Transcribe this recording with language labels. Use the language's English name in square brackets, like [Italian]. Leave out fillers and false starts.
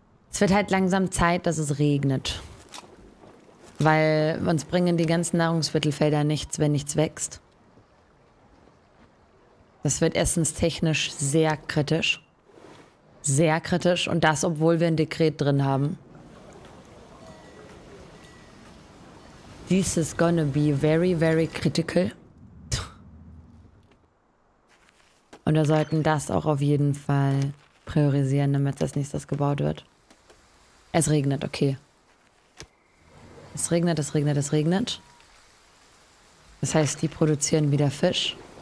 [German] Es wird halt langsam Zeit, dass es regnet. Weil uns bringen die ganzen Nahrungsmittelfelder nichts, wenn nichts wächst. Das wird essenstechnisch sehr kritisch. Sehr kritisch. Und das, obwohl wir ein Dekret drin haben. [English] This is gonna be very, very critical. [German] Und wir sollten das auch auf jeden Fall priorisieren, damit das nächstes gebaut wird. Es regnet, okay. Es regnet. Das heißt, die produzieren wieder Fisch.